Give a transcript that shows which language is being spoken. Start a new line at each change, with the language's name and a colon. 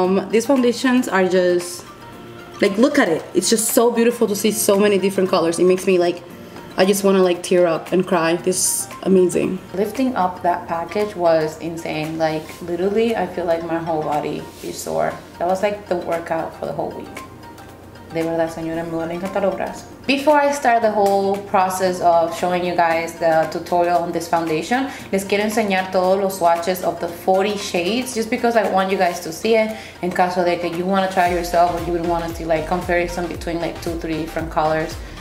English: These foundations are just, like, look at it. It's just so beautiful to see so many different colors. It makes me, like, I just wanna, like, tear up and cry. This is amazing. Lifting up that package was insane. Like, literally, I feel like my whole body is sore. That was, like, the workout for the whole week.
Spanish: De verdad, señora, me duelen hasta los brazos.
English: Before I start the whole process of showing you guys the tutorial on this foundation,
Spanish: les quiero enseñar todos los
English: swatches of the 40 shades, just because I want you guys to see it in
Spanish: caso de que
English: you want to try it yourself or you would want to see like comparison between like 2-3 different colors.